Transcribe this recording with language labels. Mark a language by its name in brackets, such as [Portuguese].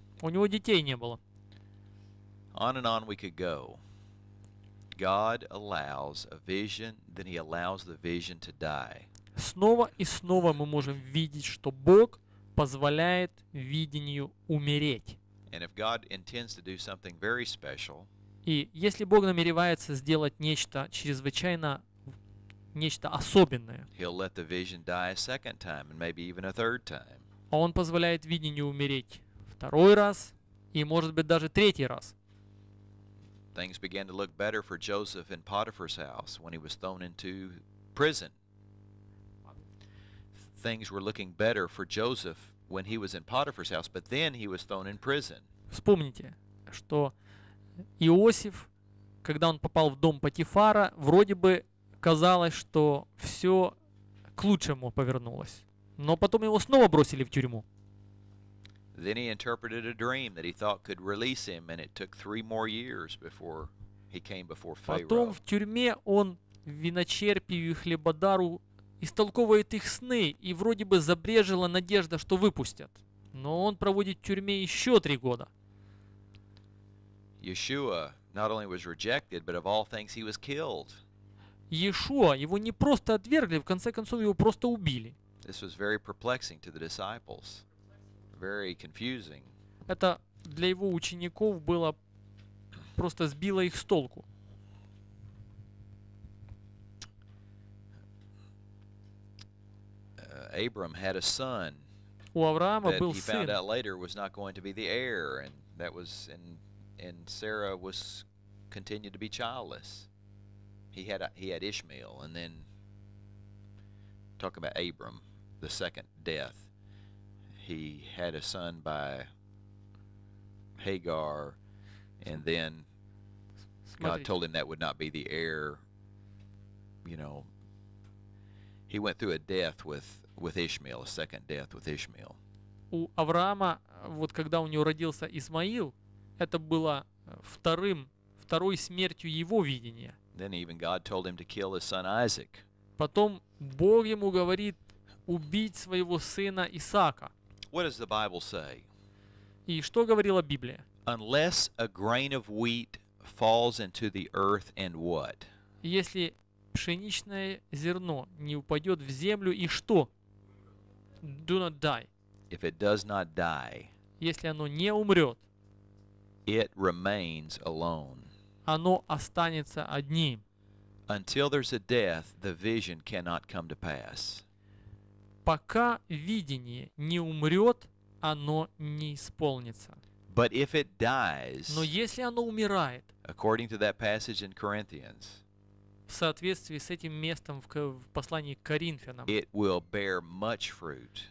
[Russian] У него детей не было. [English] On and on we could go. God allows a vision, then he allows the vision to die. [Russian] Снова и снова мы можем видеть, что Бог позволяет видению умереть. [English] And if God intends to do something very special, [Russian] и если Бог намеревается сделать нечто чрезвычайно, нечто особенное, [English] he'll let the vision die a second time, and maybe even a third time. [Russian] Он позволяет видению умереть второй раз и, может быть, даже третий раз. [English] Things began to look better for Joseph in Potiphar's house when he was thrown into prison. Things were looking better for Joseph when he was in Potiphar's house, but then he was thrown in prison. [Russian] Вспомните, что Иосиф, когда он попал в дом Потифара, вроде бы казалось, что все к лучшему повернулось. Но потом его снова бросили в тюрьму. [English] Then he interpreted a dream that he thought could release him, and it took three more years before he came before Pharaoh. [Russian] Потом в тюрьме он виночерпию и хлебодару истолковывает их сны, и вроде бы забрежила надежда, что выпустят. Но он проводит в тюрьме еще три года. [English] Yeshua not only was rejected, but of all things he was killed. [Russian] Yeshua, его не просто отвергли, в конце концов его просто убили. [English] This was very perplexing to the disciples. Very confusing. [Russian] Это для его учеников было просто сбило их с толку. [English] Abram had a son. [Russian] У Авраама был сын. [English] That he found out later was not going to be the heir, and that was and Sarah was continued to be childless. He had Ishmael, and then talk about Abram, the second death. He had a son by Hagar, and then God told him that would not be the heir. You know, he went through a death with Ishmael, a second death with Ishmael. [Russian] У Авраама, вот когда у него родился Исмаил, это было второй смертью его видения. [English] Then even God told him to kill his son Isaac. [Russian] Потом Бог ему говорит убить своего сына Исаака. [English] What does the Bible say? [Russian] И что говорила Библия? [English] Unless a grain of wheat falls into the earth and what? [Russian] Если пшеничное зерно не упадет в землю, и что? [English] Do not die. If it does not die, [Russian] если оно не умрет, [English] it remains alone. [Russian] Оно останется одним. [English] Until there's a death, the vision cannot come to pass. [Russian] Пока видение не умрет, оно не исполнится. [English] But if it dies, [Russian] но если оно умирает, [English] according to that passage in Corinthians, [Russian] в соответствии с этим местом в послании к Коринфянам, [English] it will bear much fruit.